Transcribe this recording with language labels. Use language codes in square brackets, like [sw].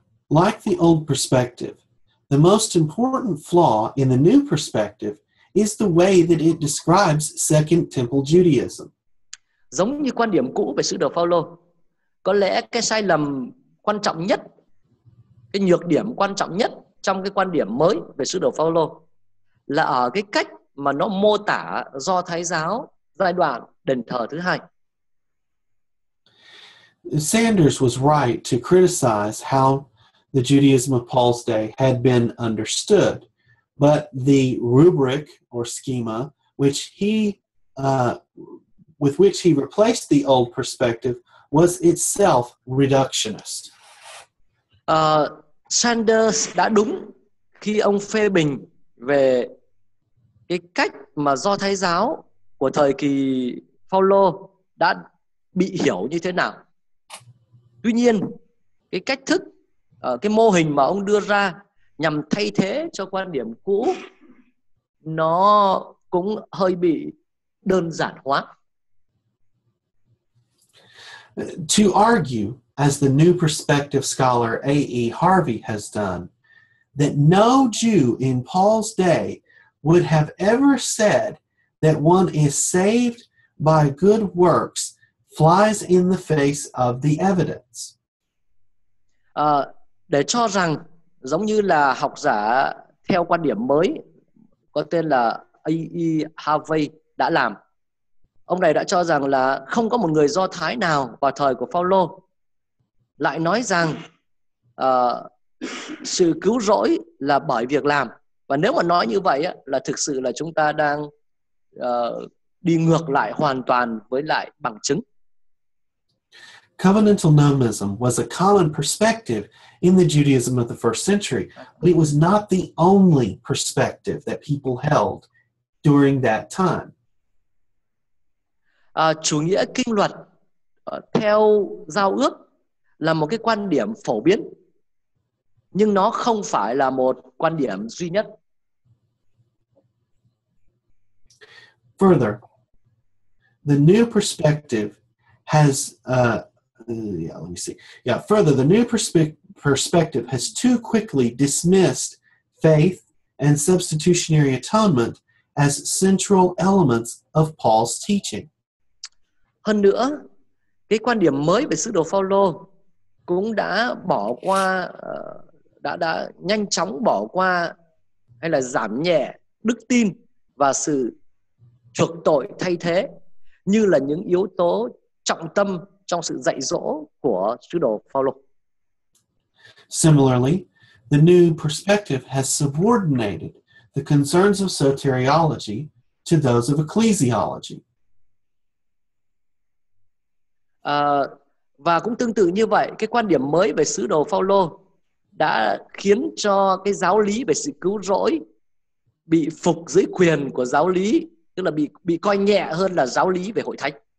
[en] Like the old perspective, the most important flaw in the new perspective is the way that it describes Second Temple Judaism. [vi] Giống như quan điểm cũ về sứ đồ Phaolô, có lẽ cái sai lầm quan trọng nhất, cái nhược điểm quan trọng nhất trong cái quan điểm mới về sứ đồ Phaolô là ở cái cách mà nó mô tả Do Thái giáo giai đoạn đền thờ thứ hai. [en] Sanders was right to criticize how the Judaism of Paul's day had been understood, but the rubric or schema which he with which he replaced the old perspective was itself reductionist. [vi] Sanders đã đúng khi ông phê bình về cái cách mà Do Thái giáo của thời kỳ Phaolô đã bị hiểu như thế nào. Tuy nhiên, cái cách thức, cái mô hình mà ông đưa ra nhằm thay thế cho quan điểm cũ, nó cũng hơi bị đơn giản hóa. [en] To argue, as the New Perspective scholar A.E. Harvey has done, that no Jew in Paul's day would have ever said that one is saved by good works flies in the face of the evidence. [vi] Để cho rằng, giống như là học giả theo quan điểm mới có tên là A.E. Harvey đã làm, ông này đã cho rằng là không có một người Do Thái nào vào thời của Phaolô lại nói rằng sự cứu rỗi là bởi việc làm. Và nếu mà nói như vậy á, là thực sự là chúng ta đang đi ngược lại hoàn toàn với lại bằng chứng. [en] Covenantal nomism was a common perspective in the Judaism of the first century, but it was not the only perspective that people held during that time. [vi] Chủ nghĩa kinh luật theo giao ước là một cái quan điểm phổ biến, nhưng nó không phải là một quan điểm duy nhất. [en] Further, the new perspective has the new perspective has too quickly dismissed faith and substitutionary atonement as central elements of Paul's teaching. [vi] Hơn nữa, cái quan điểm mới về sứ đồ Phaolô cũng đã bỏ qua, đã nhanh chóng bỏ qua hay là giảm nhẹ đức tin và sự chuộc tội thay thế như là những yếu tố trọng tâm trong sự dạy dỗ của sứ đồ Phaolô. [en] Similarly, the new perspective has subordinated the concerns of soteriology to those of ecclesiology. [vi] Và cũng tương tự như vậy, cái quan điểm mới về sứ đồ Phaolô đã khiến cho cái giáo lý về sự cứu rỗi bị phục dưới quyền của giáo lý, tức là bị coi nhẹ hơn là giáo lý về hội thánh.